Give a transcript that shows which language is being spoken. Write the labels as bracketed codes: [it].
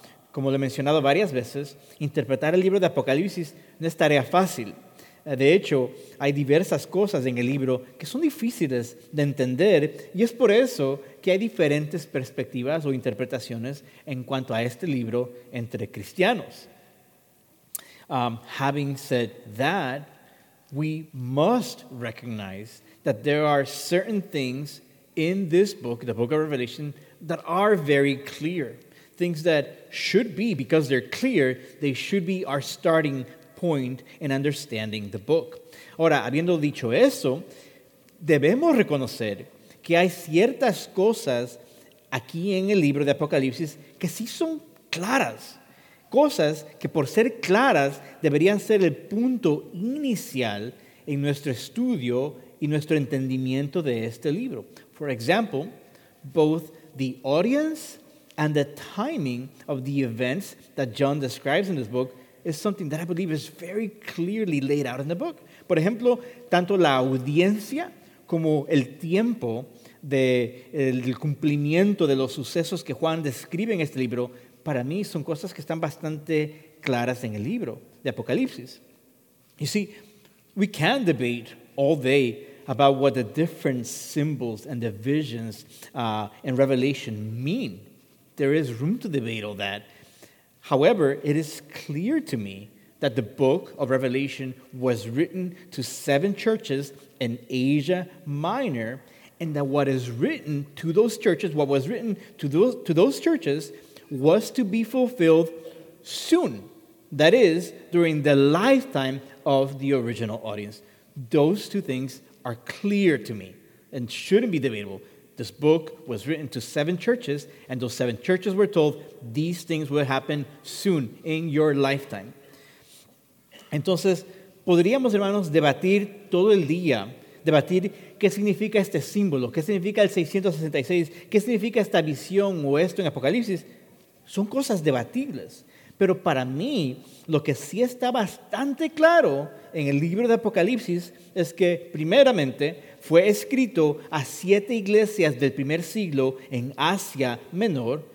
[es] Como lo he mencionado varias veces, interpretar el libro de Apocalipsis no es tarea fácil. De hecho, hay diversas cosas en el libro que son difíciles de entender, y es por eso que hay diferentes perspectivas o interpretaciones en cuanto a este libro entre cristianos. [en] Having said that, we must recognize that there are certain things in this book, the book of Revelation, that are very clear. Things that should be, because they're clear, they should be our starting point in understanding the book. [es] Ahora, habiendo dicho eso, debemos reconocer que hay ciertas cosas aquí en el libro de Apocalipsis que sí son claras. Cosas que por ser claras deberían ser el punto inicial en nuestro estudio y nuestro entendimiento de este libro. [en] For example, both the audience and the timing of the events that John describes in this book is something that I believe is very clearly laid out in the book. [es] Por ejemplo, tanto la audiencia como el tiempo del cumplimiento de los sucesos que Juan describe en este libro, para mí son cosas que están bastante claras en el libro de Apocalipsis. [en] You see, we can debate all day about what the different symbols and the visions in Revelation mean. There is room to debate all that. However, it is clear to me that the book of Revelation was written to seven churches in Asia Minor, and that what is written to those churches, what was written to those churches, was to be fulfilled soon. That is, during the lifetime of the original audience. Those two things are clear to me and shouldn't be debatable. This book was written to seven churches, and those seven churches were told these things will happen soon in your lifetime. [es] Entonces, podríamos, hermanos, debatir todo el día, debatir qué significa este símbolo, qué significa el 666, qué significa esta visión o esto en Apocalipsis. Son cosas debatibles. Pero para mí, lo que sí está bastante claro en el libro de Apocalipsis es que, primeramente, fue escrito a siete iglesias del primer siglo en Asia Menor.